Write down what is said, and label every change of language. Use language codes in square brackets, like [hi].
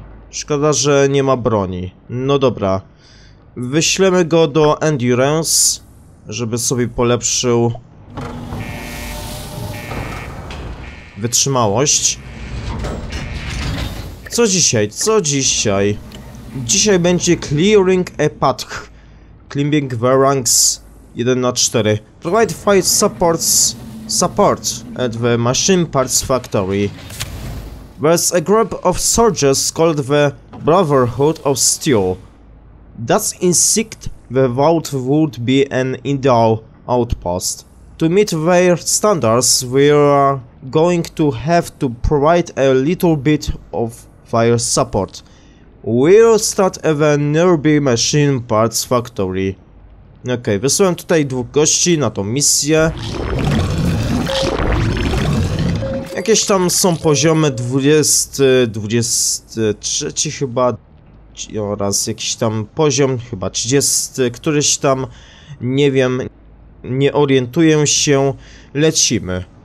[pl] Szkoda, że nie ma broni. No dobra. Wyślemy go do endurance, żeby sobie polepszył wytrzymałość. Co dzisiaj? Co dzisiaj? Dzisiaj będzie clearing a path. [en] Climbing the ranks 1/4. Provide fight supports. Support at the machine parts factory. There's a group of soldiers called the Brotherhood of Steel. That's insect the vault would be an ideal outpost. To meet their standards, we are going to have to provide a little bit of fire support. We'll start at the nearby machine parts factory. [pl] Okay, wysłałem tutaj dwóch gości na tą misję. Jakieś tam są poziomy 20, 23 chyba, oraz jakiś tam poziom chyba 30, któryś tam, nie wiem, nie orientuję się, lecimy.